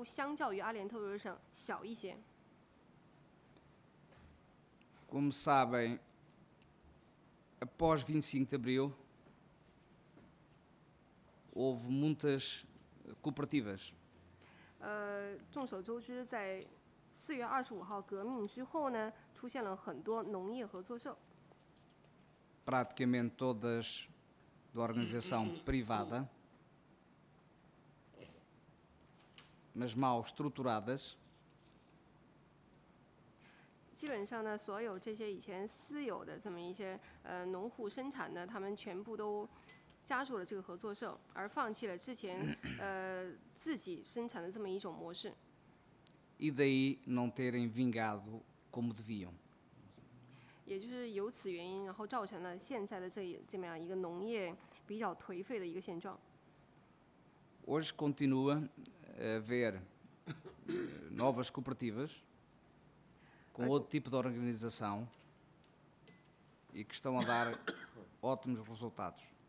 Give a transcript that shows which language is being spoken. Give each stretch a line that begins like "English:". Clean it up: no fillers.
Chinese: 在其他在葡萄牙这个国家，其他的农业省份呢，当然就是这个农户的数量或者是规模的，都相较于阿联特鲁省小一些。
Portuguese: Como sabem, após 25 de abril, houve muitas cooperativas.
Chinese: 众所周知，在4月25号革命之后呢，出现了很多农业合作社。
Portuguese: Praticamente todas da organização privada, mas mal estruturadas.
Chinese: 基本上呢，所有这些以前私有的这么一些农户生产呢，他们全部都加入了这个合作社，而放弃了之前自己生产的这么一种模式。
Portuguese: E daí não terem vingado como deviam.
Chinese: 也就是由此原因，然后造成了现在的这样一个农业比较颓废的一个现状。
Portuguese: Hoje continua a haver novas cooperativas com outro tipo de organização e que estão a dar ótimos resultados.